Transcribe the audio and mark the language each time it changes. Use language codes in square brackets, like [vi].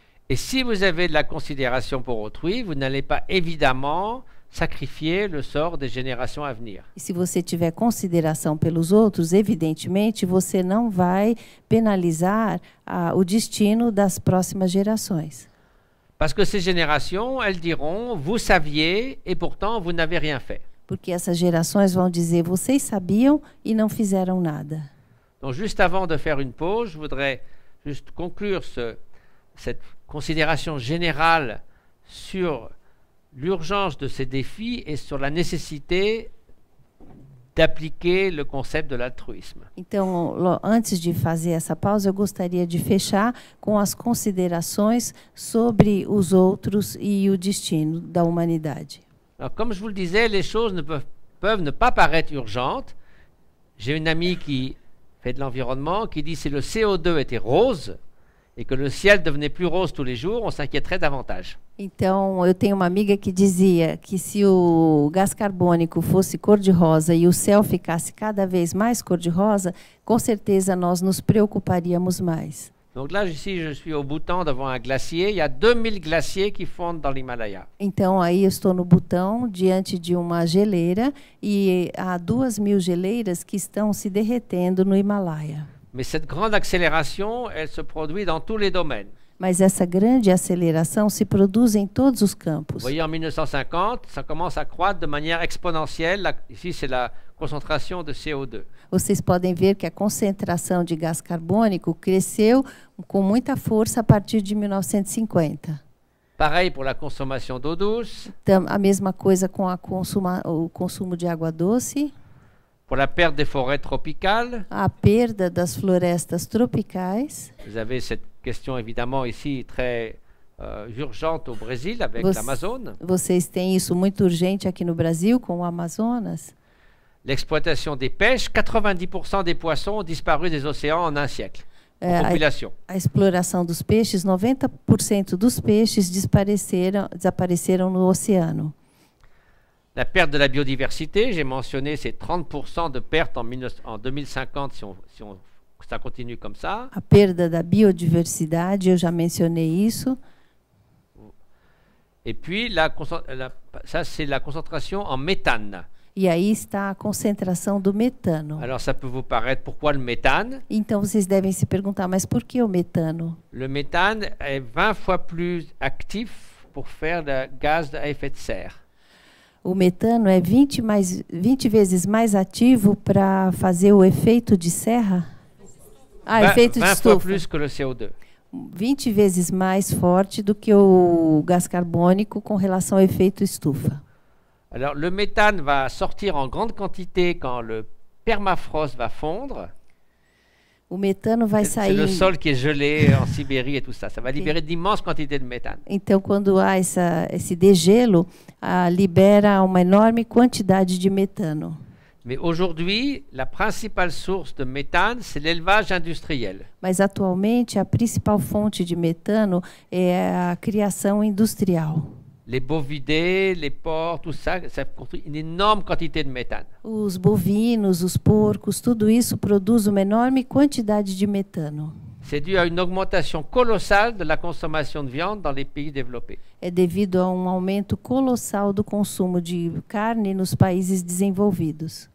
[fr] E se vous avez de la considération pour autrui, vous n'allez pas évidemment sacrifier le sort des générations à venir. [pt] E se você tiver consideração pelos outros, evidentemente você não vai penalizar o destino das próximas gerações. [fr] Parce que ces générations, elles diront, vous saviez et pourtant vous n'avez rien fait. [pt] Porque essas gerações vão dizer, vocês sabiam e não fizeram nada. [fr] Donc juste avant de faire une pause, je voudrais juste conclure cette considération générale sur l'urgence de ces défis et sur la nécessité d'appliquer le concept de l'altruisme. [pt] Então, antes de fazer essa pausa, eu gostaria de fechar com as considerações sobre os outros e o destino da humanidade. [fr] Alors, comme je vous le disais, les choses peuvent ne pas paraître urgentes. J'ai une amie qui fait de l'environnement qui dit que si le CO2 était rose et que le ciel devenait plus rose tous les jours, on s'inquiéterait davantage. [pt] Então, eu tenho uma amiga que dizia que se o gás carbônico fosse cor-de-rosa e o céu ficasse cada vez mais cor-de-rosa, com certeza nós nos preocuparíamos mais. [fr] Donc là, ici, je suis au Bhoutan devant un glacier. Il y a 2000 glaciers qui fondent dans l'Himalaya. [pt] Então, aí eu estou no Bhoutan, diante de uma geleira, e há 2000 geleiras que estão se derretendo no Himalaya. [fr] Mais cette grande accélération, elle se produit dans tous les domaines. [pt] Mas essa grande aceleração se produz em todos os campos. [fr] Vous voyez, en 1950, ça commence à croître de manière exponentielle. Ici, c'est la concentration de CO2. [pt] Vocês podem ver que a concentração de gás carbônico cresceu com muita força a partir de 1950. [fr] Pareil pour la consommation d'eau douce. [pt] Então, a mesma coisa com o consumo de água doce. [fr] Pour la perte des forêts tropicales. [pt] A perda das florestas tropicais. [fr] Vous avez cette question évidemment ici très urgente au Brésil avec l'Amazônia. [pt] Vocês têm isso muito urgente aqui no Brasil com o Amazonas. [fr] L'exploitation des pêches, 90% des poissons ont disparu des océans en un siècle. [pt] A exploração dos peixes, 90% dos peixes desapareceram no oceano. [fr] La perte de la biodiversité, j'ai mentionné, c'est 30% de perte en 2050 si ça continue comme ça. [pt] A perda da biodiversidade, eu já mencionei isso. [fr] Et puis ça c'est la concentration en méthane. [pt] E aí está a concentração do metano. [fr] Alors ça peut vous paraître, pourquoi le méthane? [pt] Então vocês devem se perguntar, mas por que o metano? [fr] Le méthane est 20 fois plus actif pour faire le gaz à effet de serre. [pt] O metano é 20 vezes mais ativo para fazer o efeito de serra? Ah, efeito de estufa. 20 [fr] fois plus que le CO2. [pt] 20 vezes mais forte do que o gás carbônico com relação ao efeito estufa. [fr] Alors le méthane va sortir en grande quantité quand le permafrost va fondre. [pt] O metano vai sair. [fr] C'est le sol qui est gelé en Sibérie et tout ça. Ça va libérer d'immenses quantités de méthane. [pt] Então quando há esse dégelo, libera uma enorme quantidade de metano. [fr] Mais aujourd'hui, la principale source de méthane, c'est l'élevage industriel. [pt] Mas atualmente a principal fonte de metano é a criação industrial. [fr] Les bovidés, les porcs, tout ça, ça produit une énorme quantité de méthane. [pt] Os bovinos, os porcos, tudo isso produz uma enorme quantidade de metano. [fr] C'est dû à une augmentation colossale de la consommation de viande dans les pays développés. [pt] É devido a um aumento colossal do consumo de carne nos países desenvolvidos.